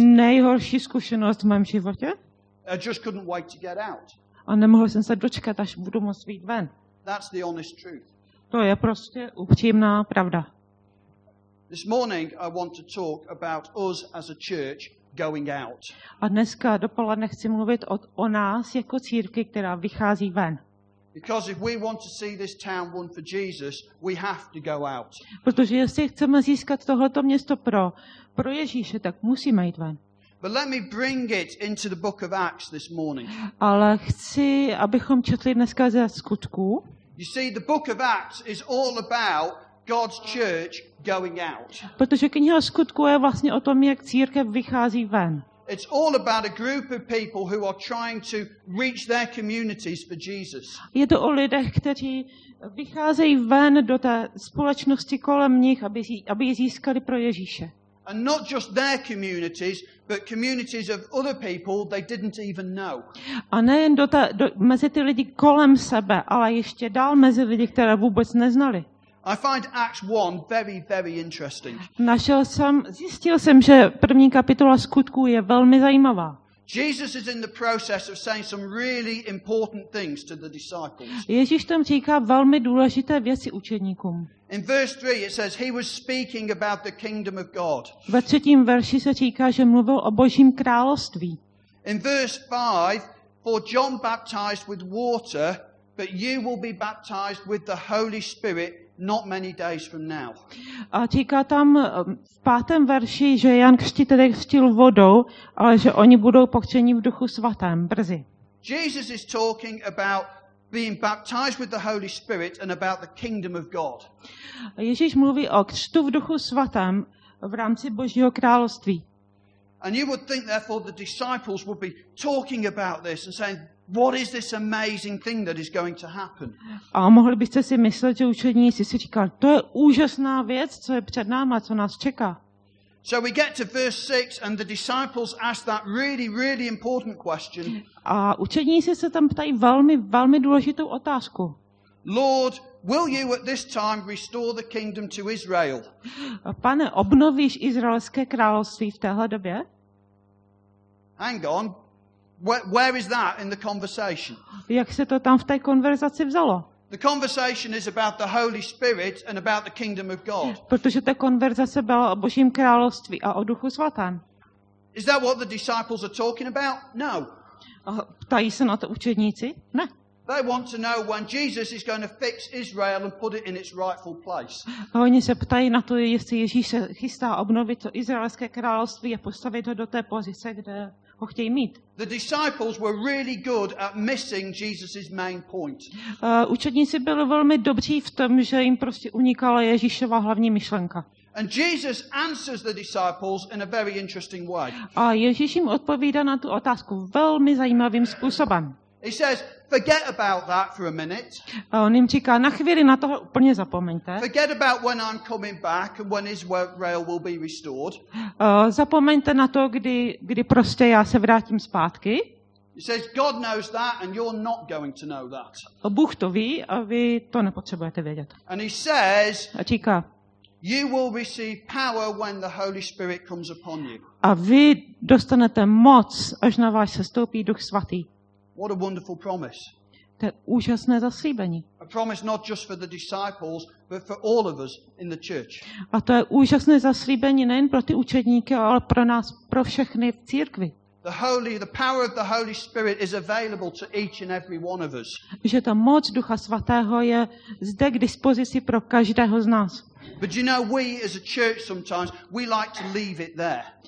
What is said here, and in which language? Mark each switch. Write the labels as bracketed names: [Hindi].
[Czech] Nejhorší zkušenost v mém životě. [English] I just couldn't wait to get out. [Czech] A nemohl jsem se dočkat, až budu moct vyjít ven. [English] That's the honest truth. [Czech] To je prostě upřímná pravda. [English] This morning I want to talk about us as a church going out. [Czech] A dneska dopoledne chci mluvit o nás jako církvi, která vychází ven. [English] Because if we want to see this town won for Jesus, we have to go out. [Czech] Protože jestli chceme získat tohleto město pro Ježíše, tak musíme jít ven. [English] But let me bring it into the book of Acts this morning. [Czech] Ale chci, abychom četli dneska ze Skutků. [English] You see, the book of Acts is all about God's church going out. [Czech] Protože kniha Skutků je vlastně o tom, jak církev vychází ven. [English] It's all about a group of people who are trying to reach their communities for Jesus. [Czech] Je to o lidech, kteří vycházejí ven do té společnosti kolem nich, aby získali pro Ježíše. [English] And not just their communities, but communities of other people they didn't even know. [Czech] A nejen mezi ty lidi kolem sebe, ale ještě dál mezi lidi, které vůbec neznali. [English] I find Acts 1 very, very interesting. [Czech] Zjistil jsem, že první kapitola Skutků je velmi zajímavá. [English] Jesus is in the process of saying some really important things to the disciples. [Czech] Ježíš tam říká velmi důležité věci učedníkům. [English] In verse 3 it says he was speaking about the kingdom of God. [Czech] Ve třetím verši se říká, že mluvil o Božím království. [English] In verse 5, for John baptized with water, but you will be baptized with the Holy Spirit not many days from now. [Czech] A říká tam v pátém verši, že Jan křtitelek křtil vodou, ale že oni budou pokřtěni v Duchu svatém brzy. [English] Jesus is talking about being baptized with the Holy Spirit and about the kingdom of God. [Czech] Ježíš mluví o křtu v Duchu svatém v rámci Božího království. [English] And you would think therefore the disciples would be talking about this and saying, what is this amazing thing that is going to happen? [Czech] A mohli byste si myslet, že učedníci si říkali, to je úžasná věc, co je před náma, co nás čeká. [English] So we get to verse 6 and the disciples ask that really, really important question. [Czech] A učedníci se tam ptají velmi, velmi důležitou otázku. [English] Lord, will you at this time restore the kingdom to Israel? [Czech] Pane, obnovíš izraelské království v téhle době? [English] Hang on. Where is that in the conversation? [Czech] Jak se to tam v té konverzaci vzalo? [English] The conversation is about the Holy Spirit and about the kingdom of God. [Czech] Protože ta konverzace byla o Božím království a o Duchu svatém. [English] Is that what the disciples are talking about? No. [Czech] Ptají se na to učedníci? Ne. [English] They want to know when Jesus is going to fix Israel and put it in its rightful place. [Czech] A oni se ptají na to, jestli Ježíš se chystá obnovit to izraelské království a postavit ho do té pozice, kde ho chtějí mít. [English] The disciples were really good at missing Jesus's main point. [Czech] Učedníci byli velmi dobří v tom, že jim prostě unikala Ježíšova hlavní myšlenka. [English] And Jesus answers the disciples in a very interesting way. [Czech] A Ježíš jim odpovídá na tu otázku velmi zajímavým způsobem. [English] He says, forget about that for a minute. [Czech] On jim říká, na chvíli na to úplně zapomeňte. [English] Forget about when I'm coming back and when Israel will be restored. [Czech] Zapomeňte na to, kdy prostě já se vrátím zpátky. [English] He says, God knows that and you're not going to know that. [Czech] Bůh to ví a vy to nepotřebujete vědět. [English] And he says, [Czech] a říká, [English] you will receive power when the Holy Spirit comes upon you. [Czech] A vy dostanete moc, až na vás sestoupí Duch svatý. [English] What a wonderful promise. [Czech] To je úžasné zaslíbení. [English] A promise not just for the disciples, but for all of us in the church. [Czech] A to je úžasné zaslíbení nejen pro ty učedníky, ale pro nás, pro všechny v církvi. [English] The power of the Holy Spirit is available to each and every one of us. [Czech] Že ta moc Ducha svatého je zde k dispozici pro každého z nás. [English] But you know, we as a church sometimes we like to leave it there.